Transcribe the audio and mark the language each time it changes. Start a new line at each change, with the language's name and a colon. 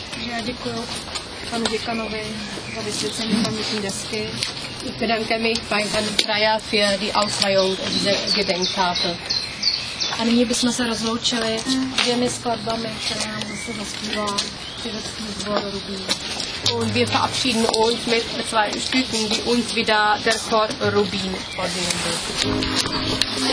Czech: Já děkuji panu děkanovi za vysvěcení pamětní desky.
German: Ich bedanke mich bei Herrn Freier für die Ausleihung dieser Gedenktafel.
Czech: A nyní bychom se rozloučili dvěmi skladbami, které nám zase zaspívá Pěvecký sbor Rubín.
German: und wir verabschieden uns mit zwei Stücken, die uns wieder der Chor Rubin vorsingen wird.